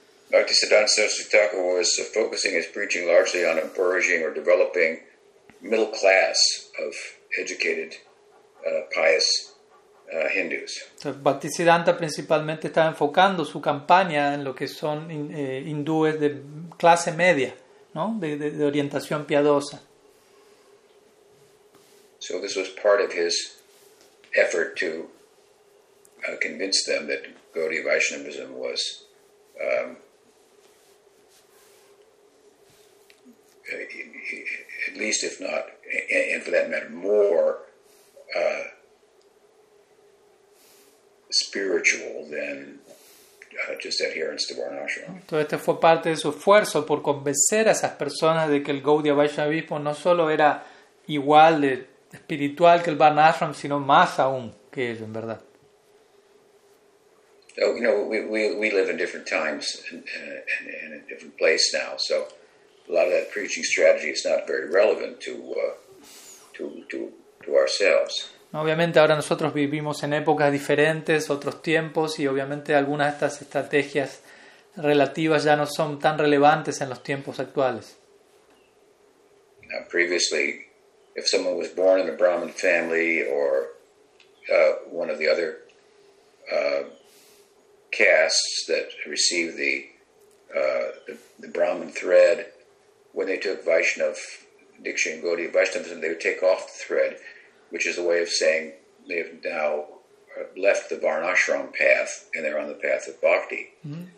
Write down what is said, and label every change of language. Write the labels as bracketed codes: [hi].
[en] Bhaktisiddhanta Saraswati Thakur was focusing his preaching largely on encouraging or developing middle class of educated, pious Hindus. [es] Bhaktisiddhanta principalmente estaba enfocando su campaña en lo que son hindúes de clase media, ¿no? De orientación piadosa. [en] So this was part of his effort to convince them that Gaudiya Vaishnavism was at least, if not, and for that matter, more spiritual than just adherence to Varna Ashram. [es] Todo esto fue parte de su esfuerzo por convencer a esas personas de que el Gaudiya Vaishnavismo no solo era igual de espiritual que el Varna Ashram, sino más aún que ello, en verdad. [en] So, you know, we live in different times and in a different place now, so a lot of that preaching strategy is not very relevant to ourselves. [es] Obviamente ahora nosotros vivimos en épocas diferentes, otros tiempos, y obviamente algunas de estas estrategias relativas ya no son tan relevantes en los tiempos actuales. [en] Now, previously, if someone was born in a Brahmin family or one of the other castes that received the Brahmin thread, when they took Vaishnava diksha and Gaudiya Vaishnavism, they would take off the thread, which is a way of saying they have now left the Varnashram path and they're on the path of bhakti. Mm-hmm.